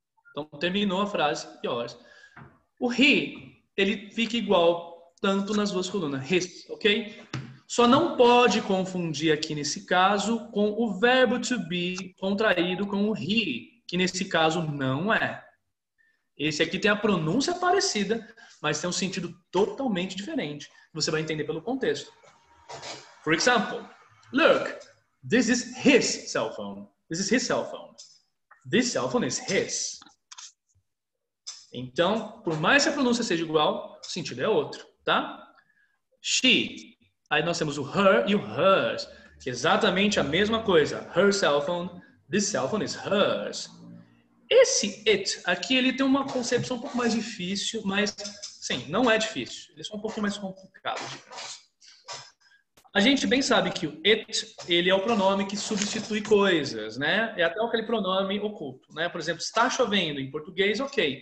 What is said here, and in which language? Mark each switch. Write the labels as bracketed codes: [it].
[pt] Então, terminou a frase, yours. O he, ele fica igual tanto nas duas colunas, his, ok? Só não pode confundir aqui nesse caso com o verbo to be contraído com o he, que nesse caso não é. Esse aqui tem a pronúncia parecida, mas tem um sentido totalmente diferente. Você vai entender pelo contexto. [en] For example, look, this is his cell phone. This is his cell phone. This cell phone is his. [pt] Então, por mais que a pronúncia seja igual, o sentido é outro, tá? She. Aí nós temos o her e o hers, que é exatamente a mesma coisa. [en] Her cell phone, this cell phone is hers. [pt] Esse it aqui, ele tem uma concepção um pouco mais difícil, mas, sim, não é difícil. Ele é só um pouco mais complicado. A gente bem sabe que o it, ele é o pronome que substitui coisas, né? É até aquele pronome oculto, né? Por exemplo, está chovendo em português, ok.